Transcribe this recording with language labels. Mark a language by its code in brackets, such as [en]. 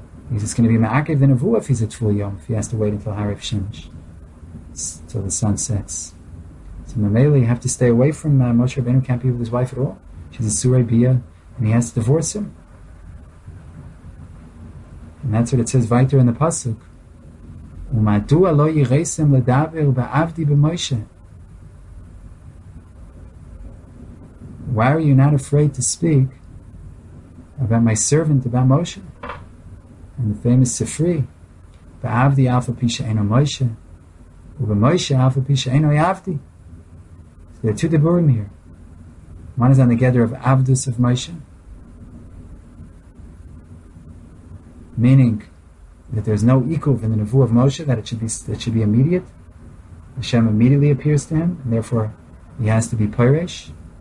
[en] He's just going to be Ma'akev the Nevuah if he's a Tevul Yom, if he has to wait until Harif Shemesh, till the sun sets. So Mamele, you have to stay away from Moshe Rabbeinu, can't be with his wife at all. She's a Surei Bia, and he has to divorce him. And that's what it says, Vayter in the Pasuk. [he] ומדוע לא יירסם לדבר בעבדי במשה? [en] Why are you not afraid to speak about my servant, about Moshe? And the famous Sifri, [he] בעבדי אף על פי שאינו משה, ובמשה אף על פי שאינו יעבדי. [en] So there are two deburim here. One is on the gather of avdus of Moshe, meaning that there's no equal in the Nevuah of Moshe, that it should be immediate. Hashem immediately appears to him, and therefore he has to be Pirish.